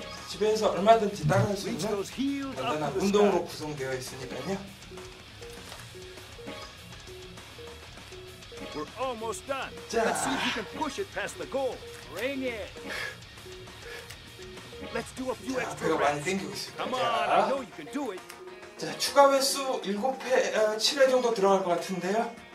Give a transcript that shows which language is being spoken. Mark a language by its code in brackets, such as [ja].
[ko] 집에서 얼마든지 따라할 수 있는 간단한 운동으로 구성되어 있으니까요. [en] We're almost done. Let's see if you can push it past the goal. Bring it. Let's do a few extra reps. Come on, I know you can do it. [ko] 자, 추가 횟수 7회, 7회 정도 들어갈 것 같은데요.